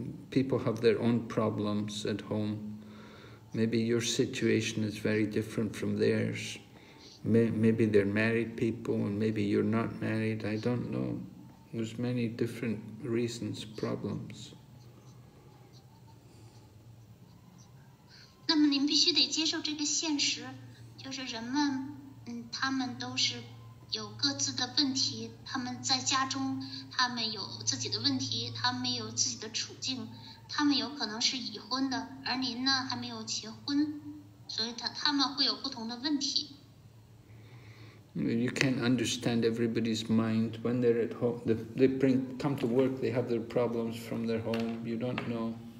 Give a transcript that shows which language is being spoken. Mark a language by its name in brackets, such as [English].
[English] People have their own problems at home. Maybe your situation is very different from theirs. Maybe they're married people, and maybe you're not married. I don't know. There's many different reasons, problems. [Chinese] 那么您必须得接受这个现实，就是人们，他们都是有各自的问题，他们在家中，他们有自己的问题，他们有自己的处境，他们有可能是已婚的，而您呢还没有结婚，所以他们会有不同的问题。 [English] You can't understand everybody's mind when they're at home. They come to work, they have their problems from their home. You don't know.